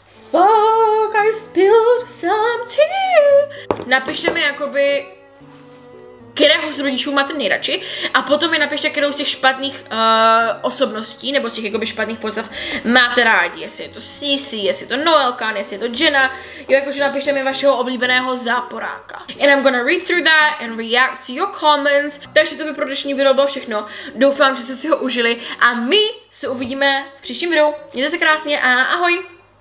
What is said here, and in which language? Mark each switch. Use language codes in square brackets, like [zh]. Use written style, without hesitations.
[en] Fuck, I spilled some tea. [cs] Napište mi jakoby, kterého z rodičů máte nejradši, a potom mi napište, kterou z těch špatných osobností nebo z těch jakoby špatných postav máte rádi, jestli je to Cici, jestli je to Noelka, jestli je to Jenna, jo, jakože napište mi vašeho oblíbeného záporáka. [en] And I'm gonna read through that and react to your comments. [cs] Takže to by pro dnešní video bylo všechno. Doufám, že jste si ho užili a my se uvidíme v příštím videu. Mějte se krásně a ahoj!